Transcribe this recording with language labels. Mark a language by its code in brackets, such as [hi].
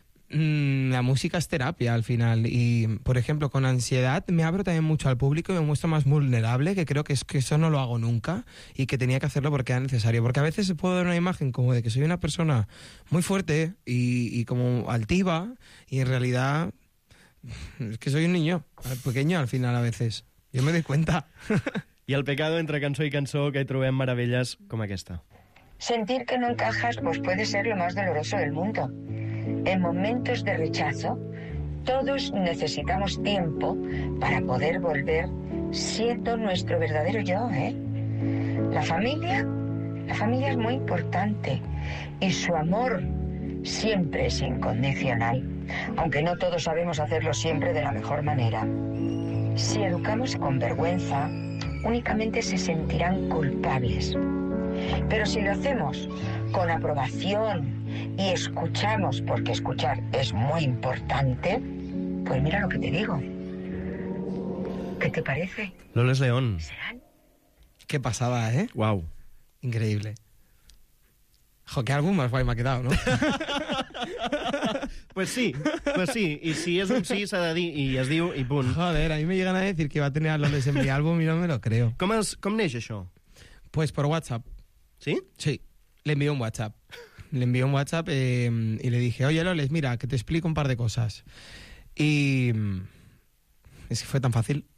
[es] La música es terapia al final y, por ejemplo, con ansiedad me abro también mucho al público y me muestro más vulnerable, que creo que es que eso no lo hago nunca y que tenía que hacerlo porque era necesario. Porque a veces puedo dar una imagen como de que soy una persona muy fuerte y como altiva y en realidad es que soy un niño pequeño al final a veces. Yo me doy cuenta. [ca] I el pecado entre cançó i cançó que hi trobem meravelles com aquesta. [es] Sentir que no encajas pues puede ser lo más doloroso del mundo. En momentos de rechazo, todos necesitamos tiempo para poder volver siendo nuestro verdadero yo, ¿eh? La familia es muy importante y su amor siempre es incondicional, aunque no todos sabemos hacerlo siempre de la mejor manera. Si educamos con vergüenza, únicamente se sentirán culpables. Pero si lo hacemos con aprobación y escuchamos, porque escuchar es muy importante, pues mira lo que te digo. ¿Qué te parece? Loles León. ¿Serán? Qué pasada, ¿eh? Guau. Wow. Increíble. Jo, qué álbum más guay me ha quedado, ¿no? Pues sí. [ca] I si és un sí, s'ha de dir, i es diu, i punt. [es] Joder, a mi me llegan a decir que va a tener a Loles en mi álbum i no me lo creo. [ca] Com neix això? [es] Pues por WhatsApp. ¿Sí? Sí. Le envié un WhatsApp y le dije, oye, Loles, mira, que te explico un par de cosas. Y es que fue tan fácil.